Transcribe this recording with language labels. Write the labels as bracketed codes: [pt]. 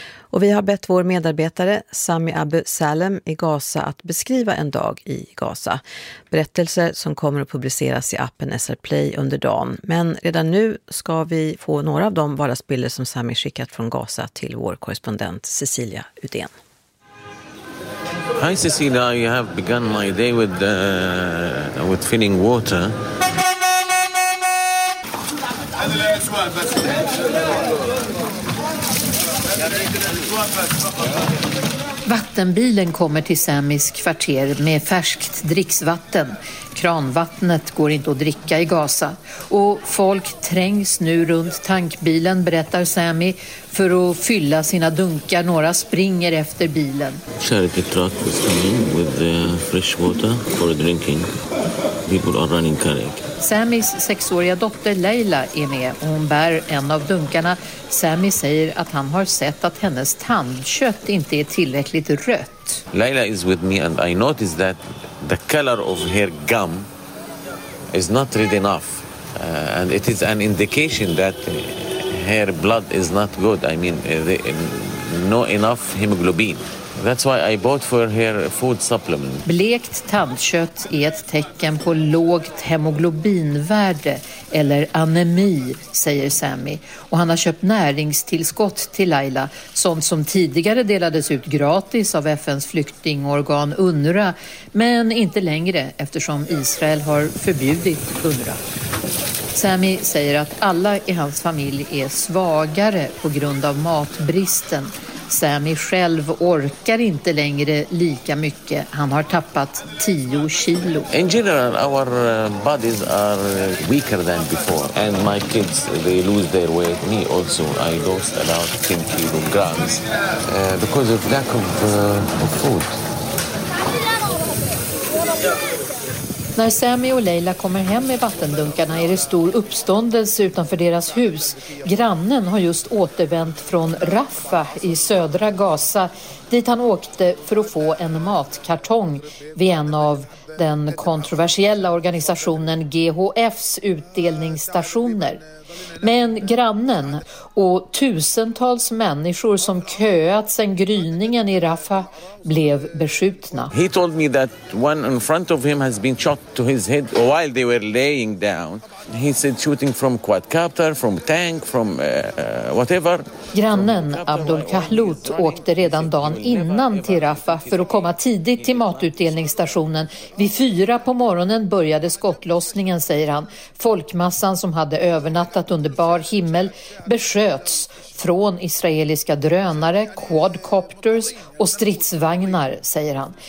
[sv] Och vi har bett vår medarbetare Sami Abu Salem i Gaza att beskriva en dag i Gaza. Berättelser som kommer att publiceras i appen SR Play under dagen. Men redan nu ska vi få några av de vardagsbilder som Sami skickat från Gaza till vår korrespondent Cecilia Udén. [en] Hi Cecilia, I have begun my day with filling water. [sv] Vattenbilen kommer till Samis kvarter med färskt dricksvatten. Kranvattnet går inte att dricka i Gaza. Och folk trängs nu runt tankbilen, berättar Sami, för att fylla sina dunkar. Några springer efter bilen. [en] Charity truck is coming with the fresh water for drinking. People are running carrying. [sv] Samis 6-åriga dotter Leila är med och hon bär en av dunkarna. Sami säger att han har sett att hennes tandkött inte är tillräckligt rött. [en] Leila is with me and I notice that the color of her gum is not red enough. And it is an indication that her blood is not good. I mean, no enough hemoglobin. That's why I bought for her food supplement. [sv] Blekt tandkött är ett tecken på lågt hemoglobinvärde eller anemi, säger Sami. Och han har köpt näringstillskott till Laila, sånt som tidigare delades ut gratis av FNs flyktingorgan UNRWA, men inte längre eftersom Israel har förbjudit UNRWA. Sami säger att alla i hans familj är svagare på grund av matbristen. Sami själv orkar inte längre lika mycket. Han har tappat 10 kilo. [en] In general, our bodies are weaker than before. And my kids, they lose their weight. Me also, I lost about 10 kilograms because of lack of food. [sv] När Sami och Leila kommer hem med vattendunkarna är det stor uppståndelse utanför deras hus. Grannen har just återvänt från Rafah i södra Gaza dit han åkte för att få en matkartong vid en av den kontroversiella organisationen GHFs utdelningsstationer. Men grannen och tusentals människor som köat sedan gryningen i Rafah blev beskjutna. [en] He told me that one in front of him has been shot to his head while they were laying down. He said shooting from quadcopter, from tank, from whatever. [sv] Grannen Abdul Kahlout åkte redan dagen innan till Rafah för att komma tidigt till matutdelningsstationen. Vi Vid 4 på morgonen började skottlossningen, säger han. Folkmassan som hade övernattat under bar himmel besköts från israeliska drönare, quadcopters och stridsvagnar, säger han.